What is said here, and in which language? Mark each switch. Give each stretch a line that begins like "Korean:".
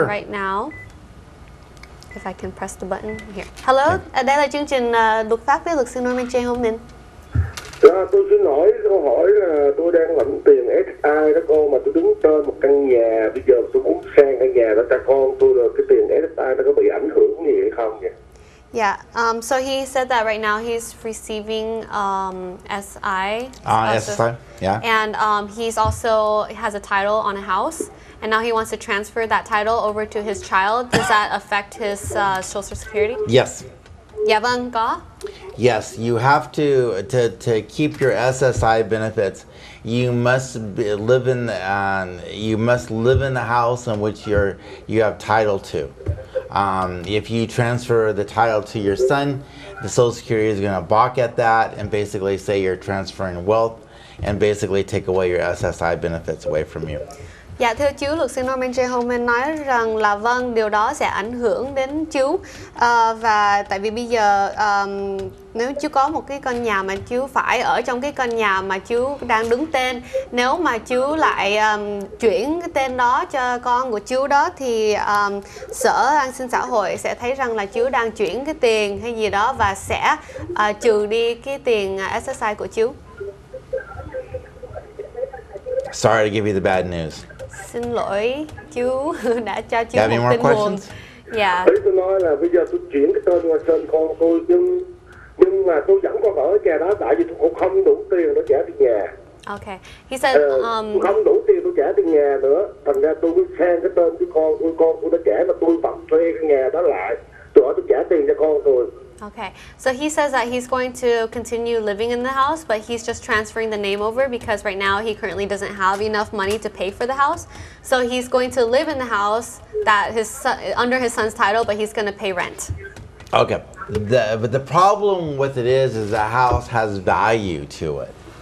English: in right now. If I can press the button here.
Vietnamese: Hello, đây là chương trình luật pháp với luật sư Norman J. Holman. Dạ, tôi xin lỗi, câu hỏi là tôi đang lãnh tiền SI đó cô, mà tôi đứng trên một căn nhà, bây giờ tôi muốn sang căn nhà đó cho con tôi, rồi cái tiền SI nó có bị ảnh hưởng gì hay không nhỉ?
English: Yeah, so he said that right now he's receiving SI. SI, yeah. And he's also has a title on a house, and now he wants to transfer that title over to his child. Does that affect his social security? Yes.
Vietnamese: Yeah, vâng, có.
English: Yes, you have to keep your SSI benefits. You must live in the house in which you have title to. If you transfer the title to your son, the Social Security is going to balk at that and basically say you're transferring wealth and basically take away your SSI benefits away from you.
Vietnamese: Dạ thưa chú, luật sư Norman J. Holman nói rằng là vâng, điều đó sẽ ảnh hưởng đến chú. Và tại vì bây giờ nếu chú có một cái căn nhà mà chú phải ở trong cái căn nhà mà chú đang đứng tên, nếu mà chú lại chuyển cái tên đó cho con của chú đó thì sở an sinh xã hội sẽ thấy rằng là chú đang chuyển cái tiền hay gì đó và sẽ trừ đi cái tiền SSI của chú.
English: Sorry to give you the bad news.
Vietnamese: Xin lỗi chú đã cho chú một tin buồn. Dạ. Ý tôi nói là bây giờ tôi chuyển cái tên qua tên con tôi nhưng mà tôi vẫn còn ở nhà đó tại vì tôi không đủ tiền để trả tiền nhà.
English: Okay. He said
Vietnamese: tôi không đủ tiền tôi trả tiền nhà nữa. Thành ra tôi mới sang cái tên con tôi đã trả mà tôi vẫn thuê cái nhà đó lại. Tôi trả tiền cho con tôi.
English: Okay, so he says that he's going to continue living in the house, but he's just transferring the name over because right now he currently doesn't have enough money to pay for the house. So he's going to live in the house that his son, under his son's title, but he's going to pay rent. Okay, but the problem with it is the house has value to it.